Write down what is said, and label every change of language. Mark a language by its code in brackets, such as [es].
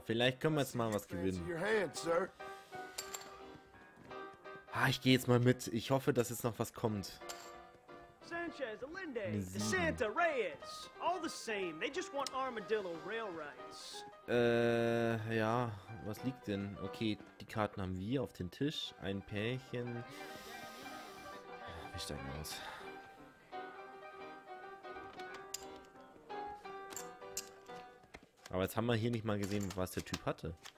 [de] Vielleicht können wir jetzt mal was gewinnen. Ah, ich gehe jetzt mal mit. Ich hoffe, dass jetzt noch was kommt. [en] Sanchez, Allende, DeSanta, Reyes. All the same. They just want Armadillo Rail Rights. [de] Ja. Was liegt denn? Okay, die Karten haben wir auf den Tisch. Ein Pärchen. Wir steigen aus. Aber jetzt haben wir hier nicht mal gesehen, was der Typ hatte.